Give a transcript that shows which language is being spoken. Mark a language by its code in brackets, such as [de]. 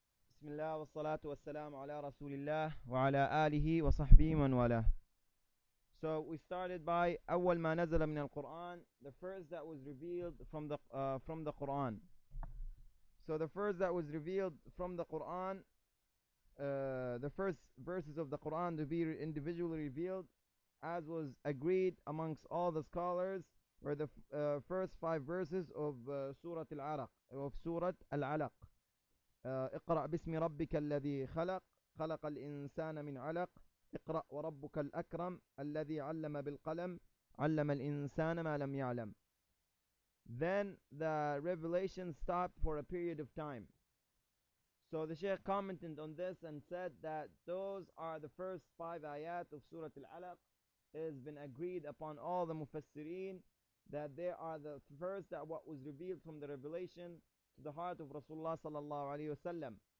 [ar] بسم الله والصلاة والسلام على رسول الله وعلى آله وصحبه من والاه. [en] So we started by [ar] أول ما نزل من القرآن. [en] The first that was revealed from the Quran. So the first that was revealed from the Quran, the first verses of the Quran to be individually revealed, as was agreed amongst all the scholars, were the first five verses of Surah Al-Araq, of Surah Al-Alaq. [ar] اقرأ باسم ربك الذي خلق، خلق الإنسان من علق، اقرأ وربك الأكرم الذي علم بالقلم، علم الإنسان ما لم يعلم. [en] Then the revelation stopped for a period of time. So the Sheikh commented on this and said that those are the first five ayat of Surah Al-Alaq. It has been agreed upon all the Mufassirin that they are the first that what was revealed from the revelation to the heart of Rasulullah sallallahu alayhi wa sallam.